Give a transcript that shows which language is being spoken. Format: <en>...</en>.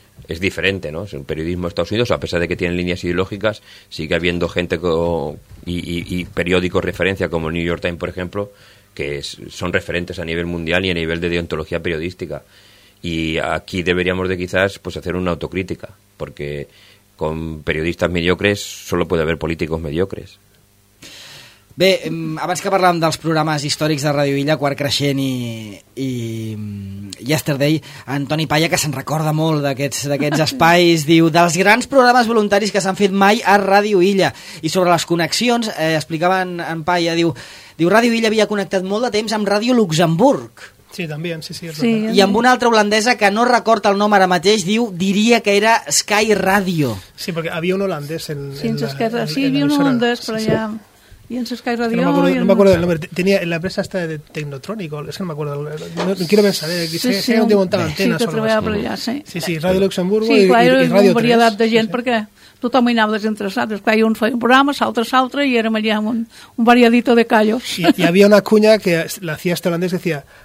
<es>es diferente, ¿no? Es un periodismo de Estados Unidos, a pesar de que tienen líneas ideológicas, sigue habiendo gente y periódicos referencia, como el New York Times, por ejemplo, que son referentes a nivel mundial y a nivel de deontología periodística. Y aquí deberíamos de quizás pues hacer una autocrítica, porque con periodistas mediocres solo puede haber políticos mediocres.</es> <ca>Bé, abans que parlàvem dels programes històrics de Ràdio Illa, Quart Creixent i Yesterday, en Toni Palla, que se'n recorda molt d'aquests espais, diu, dels grans programes voluntaris que s'han fet mai a Ràdio Illa. I sobre les connexions, explicava en Palla, diu, Ràdio Illa havia connectat molt de temps amb Ràdio Luxemburg. Sí, també, sí, és sí. I amb una altra holandesa que no recorda el nom ara mateix, diria que era Sky Radio. Sí, perquè havia un holandès en sí, hi havia un holandès.</ca> <es>Y en Sky Radio, no me acuerdo, del nombre. Tenía en la empresa esta de Technotronic, es que no me acuerdo. No quiero pensar, que un día montaba antenas. Sí, Radio Luxemburgo y Radio 3. Sí, una variedad de gente, porque</es> <ca>tothom hi anava desinteressat. És clar, un feia un programa, s'altre, i érem allà amb</ca> <es>un variadito de callos. Y había una cuña que la hacía este holandés, que decía...</es>